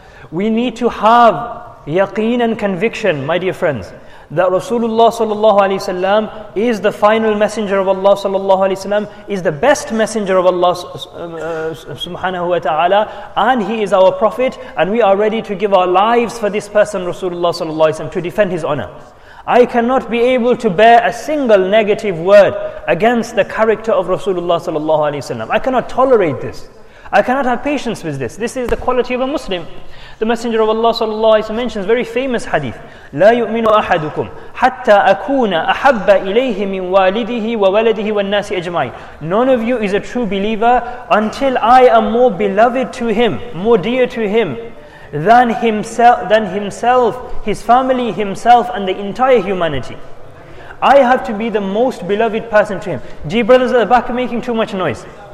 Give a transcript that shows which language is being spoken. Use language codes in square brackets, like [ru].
[en] We need to have yaqeen and conviction, my dear friends, that Rasulullah sallallahu alaihi wasallam is the final messenger of Allah sallallahu alaihi wasallam, is the best messenger of Allah subhanahu wa ta'ala, and he is our prophet, and we are ready to give our lives for this person, Rasulullah sallallahu alaihi wasallam, to defend his honor. I cannot be able to bear a single negative word against the character of Rasulullah sallallahu alaihi wasallam. I cannot tolerate this. I cannot have patience with this. This is the quality of a Muslim. The Messenger of Allah sallallahu alaihi wasallam mentions very famous hadith. [ar] لا يؤمن أحدكم حتى أكون أحب إليه من والده وولده والناس أجمعين. [en] None of you is a true believer until I am more beloved to him, more dear to him than himself, his family, himself, and the entire humanity. I have to be the most beloved person to him. Dear brothers at the back, making too much noise.